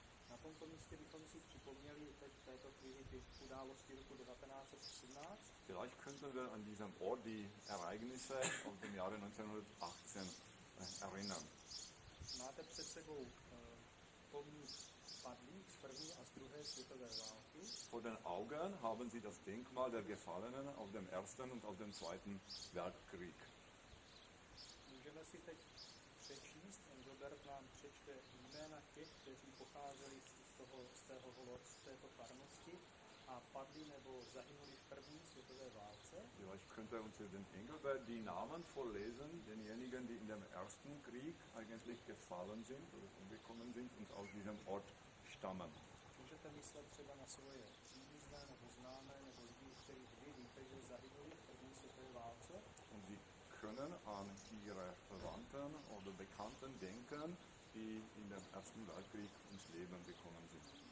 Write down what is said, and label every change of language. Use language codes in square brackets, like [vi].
[cs] Na tomto místě bychom si připomněli teď v této chvíli ty události roku 1918. [de] Vielleicht könnten wir an diesem Ort die Ereignisse aus dem Jahre 1918 erinnern. [cs] Máte před sebou pomník padlých z první a z druhé světové války. [de] Vor den Augen haben Sie das Denkmal der Gefallenen aus dem Ersten und aus dem Zweiten Weltkrieg. [cs] Můžeme si teď přečíst, Robert nám přečte jména těch, kteří pocházeli z této farnosti a padli nebo zahynuli v první světové válce. [de] Vielleicht könnte uns den Engelbert die Namen vorlesen, denjenigen, die in dem ersten Krieg eigentlich gefallen sind oder umgekommen sind und aus diesem Ort stammen. [cs] Můžete myslet třeba na svoje příbuzné nebo známé nebo lidi, kteří vy víte, že zahynuli v první světové válce. [de] Können an ihre Verwandten oder Bekannten denken, die in dem Ersten Weltkrieg ums Leben gekommen sind.